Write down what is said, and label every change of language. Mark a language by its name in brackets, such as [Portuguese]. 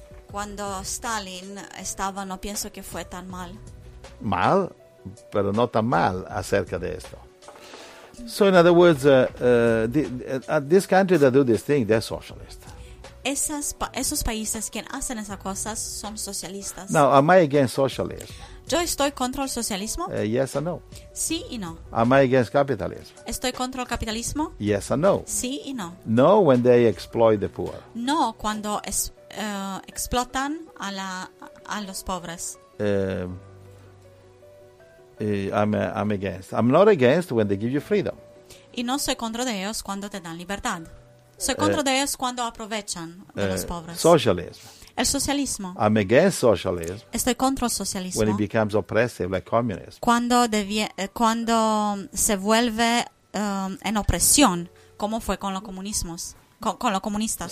[Spanish] Cuando Stalin estaba, no pienso que fue tan mal. Mal, pero no tan mal acerca de esto. [English] So in other words, this country that do this thing, they're socialist. [Spanish] Esos países que hacen esas cosas son socialistas. [English] Now, am I against socialism? [Spanish] ¿Yo estoy contra el socialismo? [English] Yes or no. [Spanish] Sí y no. [English] Am I against capitalism? [Spanish] ¿Estoy contra el capitalismo? [English] Yes or no. [Spanish] Sí y no. [English] No, when they exploit the poor. [Spanish] No, cuando explotan a los pobres. [English] I'm against. I'm not against when they give you freedom. [Spanish] Y no soy contra de ellos cuando te dan libertad. Soy contra de ellos cuando aprovechan de los pobres. [English] Socialism. [Spanish] El socialismo. [English] I'm against socialism. [Spanish] Estoy contra el socialismo. [English] When it becomes oppressive, like communism. [Spanish] Cuando se vuelve en opresión, como fue con los comunismos, con los comunistas.